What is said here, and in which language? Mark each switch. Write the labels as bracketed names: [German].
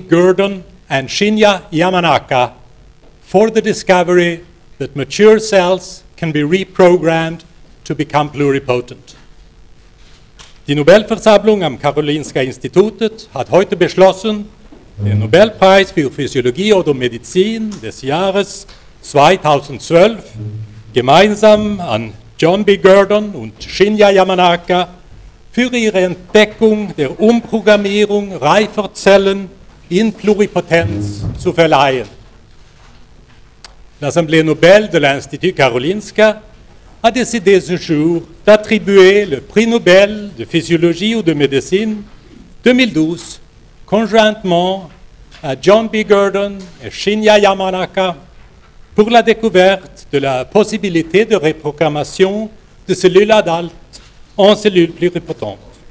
[English] Gurdon and Shinya Yamanaka for the discovery that mature cells can be reprogrammed to become pluripotent. [German] Die Nobelversammlung am Karolinska Institutet hat heute beschlossen, den Nobelpreis für Physiologie oder Medizin des Jahres 2012 gemeinsam an John B. Gurdon und Shinya Yamanaka für ihre Entdeckung der Umprogrammierung reifer Zellen in Pluripotenz zu verleihen. [French] L'Assemblée Nobel de l'Institut Karolinska a décidé ce jour d'attribuer le prix Nobel de physiologie ou de médecine 2012 conjointement à John B. Gurdon et Shinya Yamanaka pour la découverte de la possibilité de reprogrammation de cellules adultes en cellules pluripotentes.